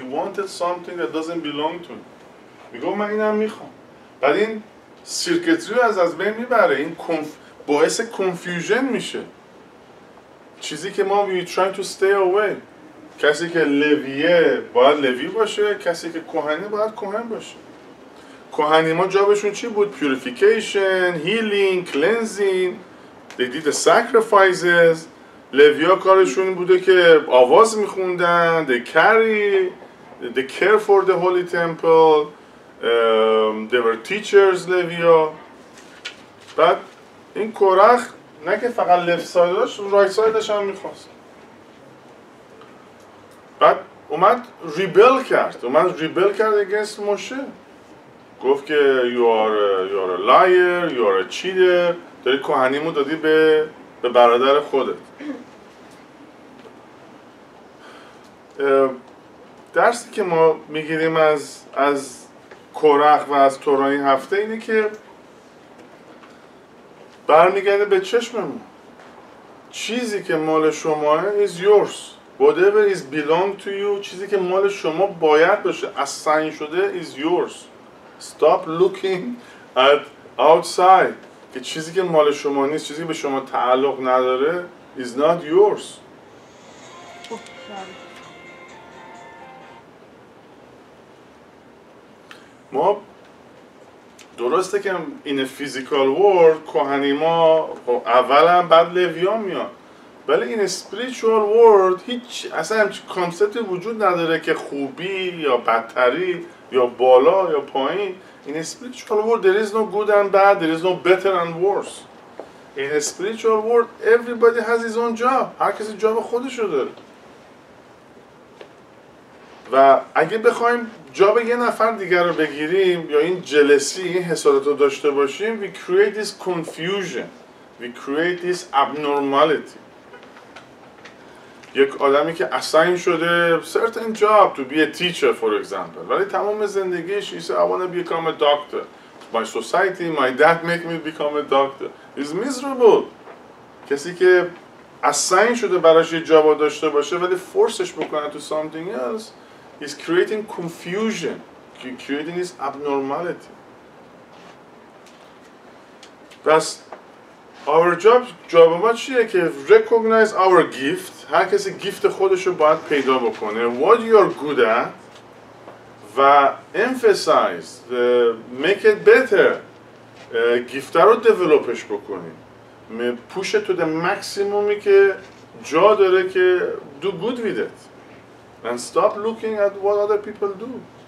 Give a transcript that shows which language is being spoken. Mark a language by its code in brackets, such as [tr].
[en] He wanted something that doesn't belong to him. [fa] میگه من اینم میخوام. بعد این سیرکتری از بین میبره. این باعث کنفیوژن میشه. چیزی که ما [en] we try to stay away. [fa] کسی که لویه باید لوی باشه. کسی که کوهنی باید کوهن باشه. کوهنی ما جابشون چی بود؟ پیوریفیکیشن، هیلینگ، کلنزینگ. [en] They did the sacrifices. [fa] لویا کارشون بوده که آواز میخوندن. [en] They carry the care for the holy temple. They were teachers لویا. [fa] بعد این کورخ نه که فقط [en] left side [fa] داشت، [en] right side [fa] داشت هم میخواست. بعد اومد ریبل کرد. اومد ریبل کرد [en] against [fa] موشه. گفت که [en] you are a liar, you are a cheater. [fa] داری کوهنیمو دادی به برادر خودت. درستی که ما میگیریم از کورخ و از تورای هفته اینه که برمیگرده به چشممون. چیزی که مال شماه [en] is yours. Whatever is belong to you. [fa] چیزی که مال شما باید باشه assign شده [en] is yours. Stop looking at outside. [fa] که چیزی که مال شما نیست، چیزی که به شما تعلق نداره [en] is not yours. [fa] ما درسته که [en] in a physical world [fa] کوهنی ما اولا بعد لویا میان، ولی [en] in a spiritual world [fa] هیچ اصلا همچه concept وجود نداره که خوبی یا بدتری یا بالا یا پایین. [en] In a spiritual world, there is no good and bad. There is no better and worse. In a spiritual world, everybody has his own job. [fa] هر کسی جاب خودش رو داره. و اگه بخوایم جاب یه نفر دیگر رو بگیریم یا این جلسی، این حسادت رو داشته باشیم، [en] we create this confusion. We create this abnormality. [fa] یک آدمی که اساین شده [en] certain job to be a teacher for example، [fa] ولی تمام زندگیش [en] he said I want to become a doctor. My society, my dad make me become a doctor. He's miserable. [fa] کسی که اساین شده براش یه جاب داشته باشه ولی فورسش بکنه [en] to something else is creating confusion. Creating this abnormality. [fa] پس [en] our job [fa] ما چیه که [en] recognize our gift. [fa] هر کسی گیفت خودشو باید پیدا بکنه. [en] What you are good at و emphasize the make it better. [fa] گیفت رو دیولپش بکنیم. [en] Push it to the maximumی [fa] که جا داره که [en] do good with it. And stop looking at what other people do.